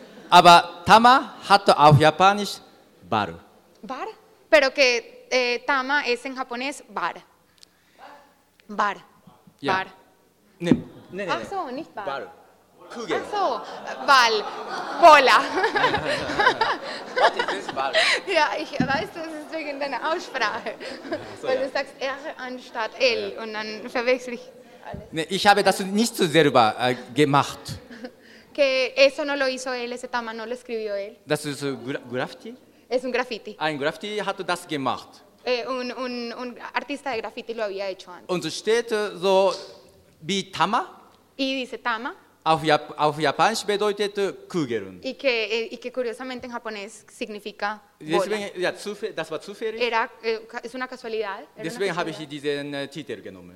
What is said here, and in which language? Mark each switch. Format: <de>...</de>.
<de>Aber Tama hat auf Japanisch Bar. Bar?</de> <es>Pero que Tama es en japonés Bar.</es> <de>Bar. Ja. Bar. Nee. Ach so, nicht Bar. Bar. Kugel. Ach so, Ball. Bola. Was ist das Ball? Ja, ich weiß, das ist wegen deiner Aussprache. So, weil du sagst R anstatt L und dann verwechsel ich alles. Nee, ich habe das nicht so selber gemacht.</de> <es>Que eso no lo hizo él, ese Tama no lo escribió él.</es> <de>Das ist Graffiti?</de> <es>Es un Graffiti.</es> <de>Ein Graffiti hat das gemacht.</de> <es>Un artista de graffiti lo había hecho antes.</es> <de>Und steht so wie Tama.</de> <es>Y dice Tama.</es> <de>Auf Japanisch bedeutet Kugeln.</de> <es>Y que curiosamente en japonés significa bola.</es> <de>Deswegen, ja, das war zufällig.</de> <es>Es una casualidad.</es> <de>Deswegen habe ich diesen Titel genommen.</de>